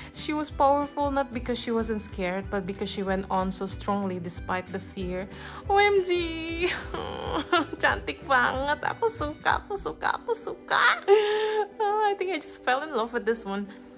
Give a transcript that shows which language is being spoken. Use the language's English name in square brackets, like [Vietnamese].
[English] She was powerful not because she wasn't scared, but because she went on so strongly despite the fear. [Indonesian] OMG. Cantik banget. Aku suka, aku suka, aku suka. [English] Oh, I think I just fell in love with this one.